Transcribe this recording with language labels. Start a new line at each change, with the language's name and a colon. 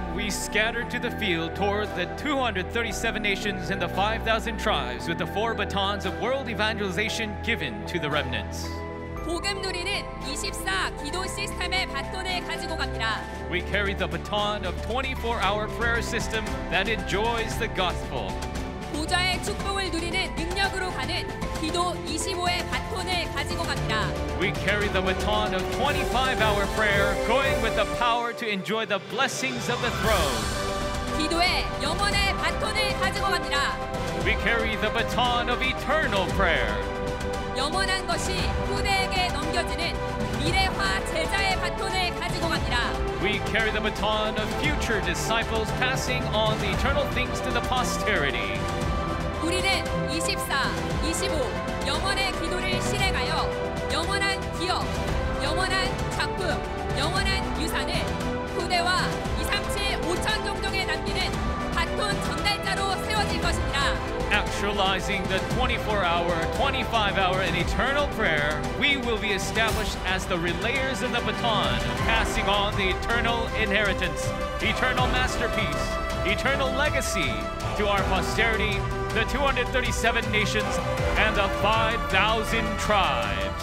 English: 237 nations and the 5,000 tribes with the four batons of world evangelization given to the remnants.
Korean: 복음 누리는 24 기도 시스템의 바톤을 가지고 갑니다.
English: We carry the baton of 24-hour prayer system that enjoys the gospel.
Korean: 보좌의 축복을 누리는 능력으로 가는 기도 25의 바톤을 가지고 갑니다.
English: We carry the baton of 25-hour prayer going with the power to enjoy the blessings of the throne.
Korean: 기도의 영원의 바톤을 가지고 갑니다.
English: We carry the baton of eternal prayer.
Korean: 영원한 것이 후대에게 넘겨지는 미래화 제자의 바톤을 가지고 갑니다.
English: We carry the baton of future disciples passing on the eternal things to the posterity.
Korean: 우리는 24, 25 영원의 기도를 실행하여 영원한 기억, 영원한 작품, 영원한 유산을 후대와 5천 종족에 남기는 바톤 전달자로 세워질 것입니다.
English: Actualizing the 24-hour, 25-hour, and eternal prayer, we will be established as the relayers of the baton, passing on the eternal inheritance, eternal masterpiece, eternal legacy to our posterity, the 237 nations, and the 5,000 tribes.